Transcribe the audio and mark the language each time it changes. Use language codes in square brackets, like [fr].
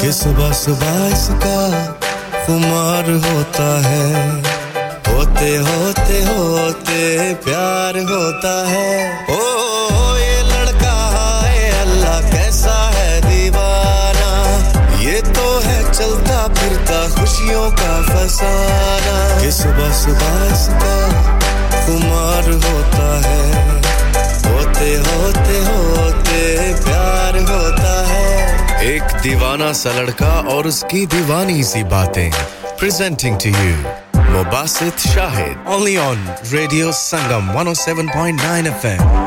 [hi] कि सुबह सुबह इसका खुमार होता है, होते होते होते प्यार होता है. ओ ये लड़का है अल्लाह, कैसा है दीवाना, ये तो है चलता फिरता खुशियों का फसाना. कि सुबह सुबह इसका खुमार होता है, होते होते होते प्यार होता है. एक दीवाना सा लड़का और उसकी दीवानी सी बातें. [en] Presenting to you Mubasit Shahid, only on Radio Sangam 107.9 FM.